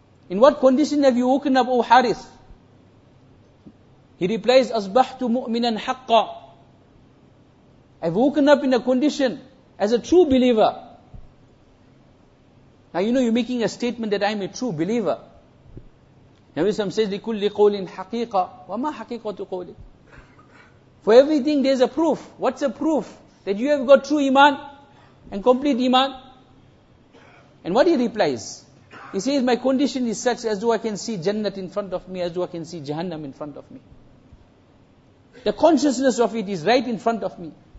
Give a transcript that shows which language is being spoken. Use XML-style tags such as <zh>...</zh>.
<en>In what condition have you woken up, O Harith? He replies,</en> <ar>Asbahtu mu'minan haqqa.</ar> <en>I've woken up in a condition as a true believer. Now you know you're making a statement that I'm a true believer. Nabi Sam says,</en> <ar>لِكُلِّ قَوْلٍ حَقِيقَ وَمَا حَقِيقَةُ قَوْلٍ.</ar> <en>For everything there's a proof. What's a proof? That you have got true iman and complete iman. And what he replies? He says, my condition is such as though I can see Jannat in front of me, as though I can see Jahannam in front of me. The consciousness of it is right in front of me.</en>